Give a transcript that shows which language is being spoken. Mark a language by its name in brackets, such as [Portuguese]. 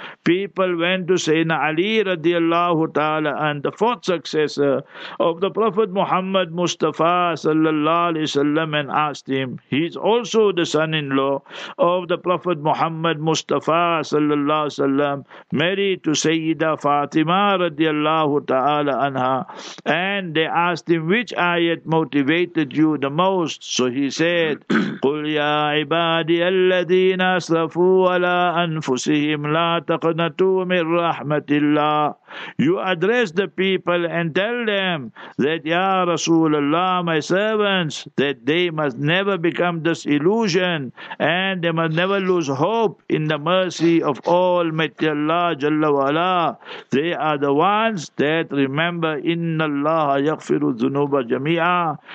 [English] People went to Sayyidina Ali radiallahu ta'ala and the fourth successor of the Prophet Muhammad Mustafa sallallahu alayhi wa sallam and asked him. He's also the son-in-law of the Prophet Muhammad Mustafa sallallahu alayhi wa sallam, married to Sayyida Fatima radiallahu ta'ala anha. And they asked him, which ayat motivated you the most? So he said, [Arabic] قُلْ يَا عِبَادِيَ الَّذِينَ أَسْرَفُوا عَلَىٰ أَنفُسِهِمْ لَا تَقْنَتُوا مِنْ رَحْمَةِ اللَّهِ. [English] You address the people and tell them that, Ya Rasulullah, my servants, that they must never become disillusioned and they must never lose hope in the mercy of Almighty Allah Jalla wa Ala. They are the ones that remember, [Arabic] Inna Allah yaghfiru dhunuba jami'a.